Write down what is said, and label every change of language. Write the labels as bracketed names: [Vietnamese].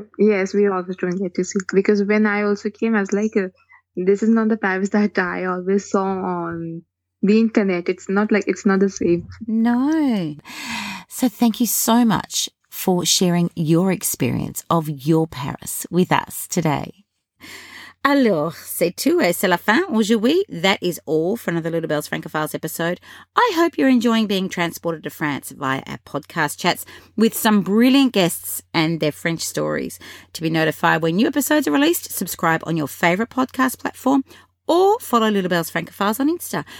[English] Yes, we always don't get to see. Because when I also came, I was like, this is not the Paris that I always saw on the internet. It's not like, it's not the same. No. So thank you so much for sharing your experience of your Paris with us today. [French] Alors, c'est tout et c'est la fin aujourd'hui. [English] That is all for another Little Bells Francophiles episode. I hope you're enjoying being transported to France via our podcast chats with some brilliant guests and their French stories. To be notified when new episodes are released, subscribe on your favourite podcast platform or follow Little Bells Francophiles on Insta.